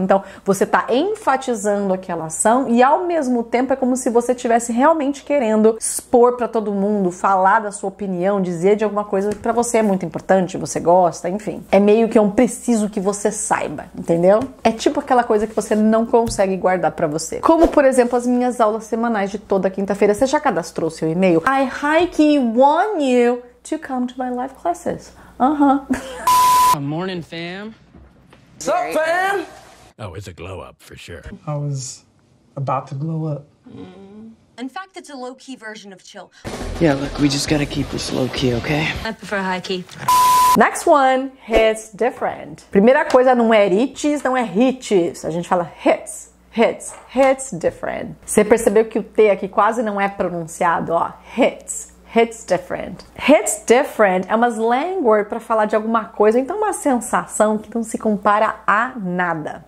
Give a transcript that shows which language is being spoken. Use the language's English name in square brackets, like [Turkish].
[Portuguese] Então, você tá enfatizando aquela ação e ao mesmo tempo é como se você estivesse realmente querendo expor pra todo mundo, falar da sua opinião, dizer de alguma coisa que pra você é muito importante, você gosta, enfim. É meio que um preciso que você saiba, entendeu? É tipo aquela coisa que você não consegue guardar pra você. Como, por exemplo, as minhas aulas semanais de toda quinta-feira. Você já cadastrou seu e-mail? [English] I highly want you to come to my live classes. Good morning, fam. What's up, fam? Oh, it's a glow up for sure. I was about to glow up. In fact, it's a low-key version of chill. Yeah, look, we just gotta keep this low-key, okay? I prefer high-key. Next one, hits different. [Portuguese] Primeira coisa, não é riches, não é hits. A gente fala hits. Hits. Hits different. Você percebeu que o T aqui quase não é pronunciado, ó. Hits. Hits different. Hits different é uma slang word pra falar de alguma coisa, então uma sensação que não se compara a nada.